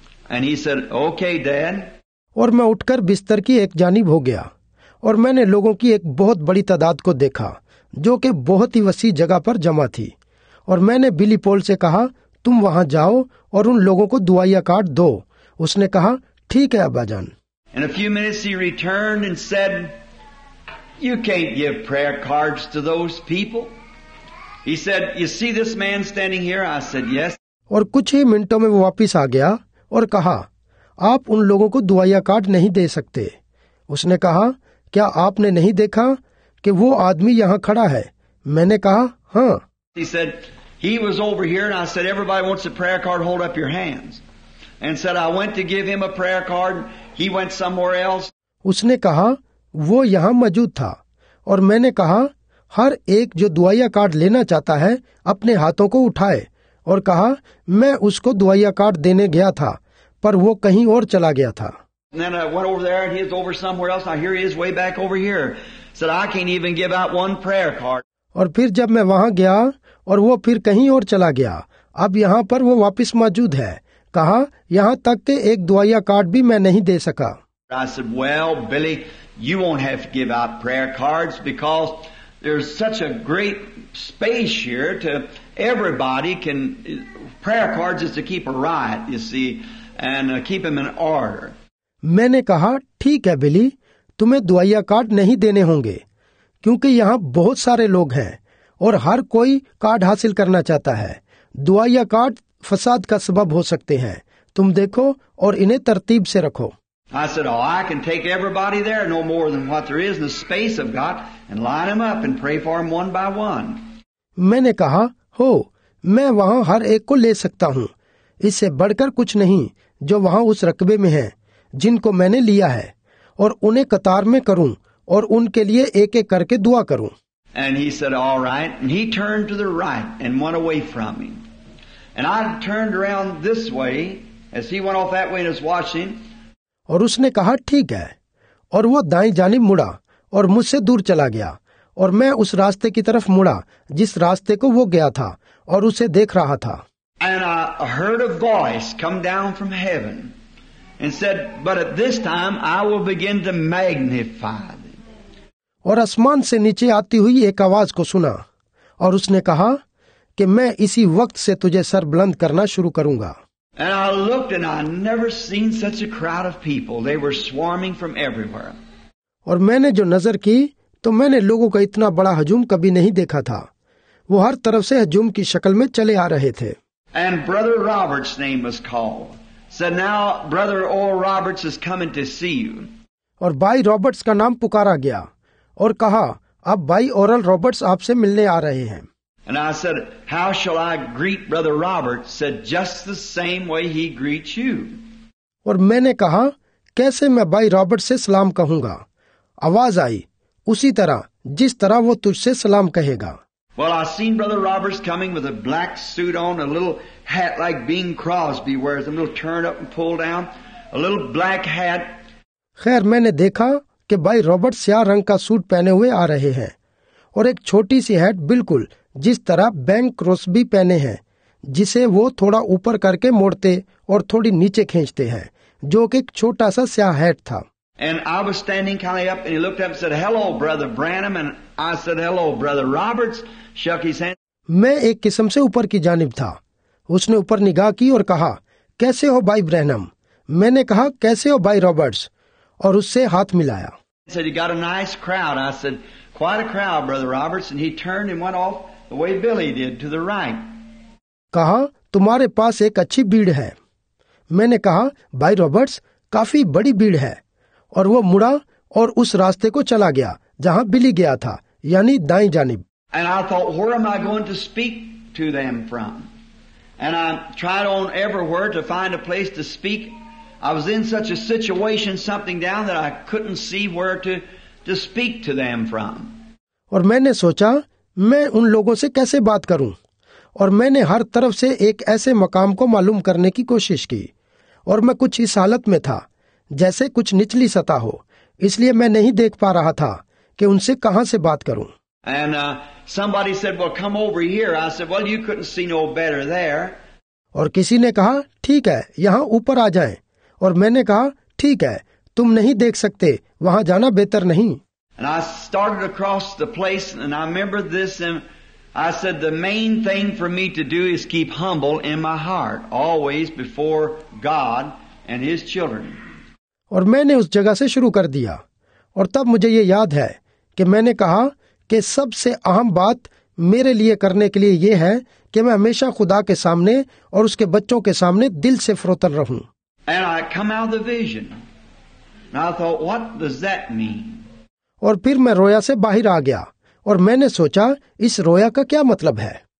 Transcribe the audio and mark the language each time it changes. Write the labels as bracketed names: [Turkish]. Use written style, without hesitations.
[English] And he said, "Okay, Dad." [Hindi] और मैं उठकर बिस्तर की एक जानिब हो गया और मैंने लोगों की एक बहुत बड़ी तादाद को देखा जो कि बहुत ही वसी जगह पर जमा थी और मैंने बिली पॉल से कहा, "तुम वहां जाओ और उन लोगों को दुआया कार्ड दो." उसने कहा, "ठीक है अब्बाजान." [English] In a few minutes he returned and said, "You can't give prayer cards to those people." He said, "You see this man standing here?" I said, "Yes." [Hindi] और कुछ ही मिनटों में वो वापिस आ गया और कहा, "आप उन लोगों को दुआया कार्ड नहीं दे सकते." उसने कहा, "क्या आपने नहीं देखा कि वो आदमी यहाँ खड़ा है?" मैंने कहा, "हाँ." [English] He said, "He was over here," and I said, "Everybody wants a prayer card. Hold up your hands." And said, "I went to give him a prayer card. He went somewhere else." [Hindi] उसने कहा, "वो यहाँ मौजूद था," और मैंने कहा, "हर एक जो दुआया कार्ड लेना चाहता है अपने हाथों को उठाए," और कहा, "मैं उसको दुआया कार्ड देने गया था पर वो कहीं और चला गया था." [English] And then I went over there and he is over somewhere else. I hear he is way back over here. Said I can't even give out one prayer card. [Hindi] और फिर जब मैं वहां गया और वो फिर कहीं और चला गया, अब यहाँ पर वो वापिस मौजूद है, कहा, यहाँ तक के एक दुआया कार्ड भी मैं नहीं दे सका. [English] I said, "Well, Billy, you won't have to give out prayer cards because there's such a great space here to everybody can prayer cards is to keep a riot, you see, and keep them in order." [Hindi] मैंने कहा, "ठीक है बिली, तुम्हें दुआया card नहीं देने होंगे क्योंकि यहाँ बहुत सारे लोग हैं और हर कोई कार्ड हासिल करना चाहता है. दुआया कार्ड फसाद का सबब हो सकते हैं. तुम देखो और इन्हें तरतीब से रखो. [English] I said, "Oh, I can take everybody there, no more than what there is in the space I've got, and line them up and pray for them one by one." [Hindi] मैंने कहा, "हो, मैं वहाँ हर एक को ले सकता हूँ. इससे बढ़कर कुछ नहीं जो वहाँ उस रकबे में हैं, जिनको मैंने लिया है, और उन्हें कतार में करूँ और उनके लिए एक एक करके दुआ करूँ." [English] And he said, "All right." And he turned to the right and went away from me. And I turned around this way as he went off that way and was watching. [Hindi] और उसने कहा, "ठीक है," और वो दाईं जानिब मुड़ा और मुझसे दूर चला गया और मैं उस रास्ते की तरफ मुड़ा जिस रास्ते को वो गया था और उसे देख रहा था. [English] And I heard a voice come down from heaven and said, "But at this time I will begin to magnify them." [Hindi] और आसमान से नीचे आती हुई एक आवाज को सुना और उसने कहा कि मैं इसी वक्त से तुझे सर बुलंद करना शुरू करूंगा. [English] And I looked and I never seen such a crowd of people. They were swarming from everywhere. [Hindi] और मैंने जो नजर की तो मैंने लोगों का इतना बड़ा हजूम कभी नहीं देखा था. वो हर तरफ से हजूम की शक्ल में चले आ रहे थे. [English] And Brother Roberts' name was called. Said, "Now Brother Oral Roberts is coming to see you." [Hindi] और भाई रॉबर्ट्स का नाम पुकारा गया और कहा, "अब भाई ओरल रॉबर्ट्स आपसे मिलने आ रहे हैं." [English] And I said, "How shall I greet Brother Robert?" Said, "Just the same way he greets you." [Hindi] और मैंने कहा, "कैसे मैं भाई रॉबर्ट से सलाम कहूंगा?" आवाज आई, "उसी तरह जिस तरह वो तुझसे सलाम कहेगा." [English] Well, I seen Brother Roberts coming with a black suit on, a little hat like Bing Crosby wears, a little turned up and pulled down, a little black hat. [Hindi] खैर मैंने देखा कि भाई रॉबर्ट स्याह रंग का सूट पहने हुए आ रहे हैं और एक छोटी सी हैट बिल्कुल जिस तरह बैंक क्रॉसबी पहने हैं, जिसे वो थोड़ा ऊपर करके मोड़ते और थोड़ी नीचे खींचते हैं, जो कि एक छोटा सा स्याह हैट था। [English] And I was standing kind of up, and he looked up and said, "Hello, Brother Branham." And I said, "Hello, Brother Roberts." Shook his hand. [Hindi] मैं एक किस्म से ऊपर की जानिब था। उसने ऊपर निगाह की और कहा, "कैसे हो, भाई ब्रैनम?" मैंने कहा, "कैसे हो, भाई रॉबर्ट्स?" और उससे हाथ मिलाया। [English] He said, "You got a nice crowd." I said, "Quite a crowd, Brother Roberts." And he turned and went off the way Billy did to the right. [Hindi] कहा, "तुम्हारे पास एक अच्छी भीड़ है." मैंने कहा, "भाई रॉबर्ट्स, काफी बड़ी भीड़ है." और वो मुड़ा और उस रास्ते को चला गया जहां बिली गया था, यानी दाईं जानिब। [English] And I thought, where am I going to speak to them from? And I tried on everywhere to find a place to speak. I was in such a situation, something down that I couldn't see where to speak to them from. [Hindi] और मैंने सोचा, मैं उन लोगों से कैसे बात करूं? और मैंने हर तरफ से एक ऐसे मकाम को मालूम करने की कोशिश की, और मैं कुछ इस हालत में था, जैसे कुछ निचली सतह हो, इसलिए मैं नहीं देख पा रहा था कि उनसे कहां से बात करूं। [English] And somebody said, "Well, come over here." I said, "Well, you couldn't see no better there." [Hindi] और किसी ने कहा, ठीक है, यहां ऊपर आ जाएं। और मैंने कहा, ठीक है, तुम नहीं देख सकते, वहां जाना बेहतर नहीं। [English] And I started across the place, and I remember this, and I said, "The main thing for me to do is keep humble in my heart, always before God and His children." [Hindi] और मैंने उस जगह से शुरू कर दिया, और तब मुझे ये याद है कि मैंने कहा कि सबसे अहम बात मेरे लिए करने के लिए ये है कि मैं हमेशा खुदा के सामने और उसके बच्चों के सामने दिल से फरोतन रहूं। [English] And I come out of the vision. And I thought, what does that mean? [Hindi] और फिर मैं रोया से बाहर आ गया, और मैंने सोचा, इस रोया का क्या मतलब है?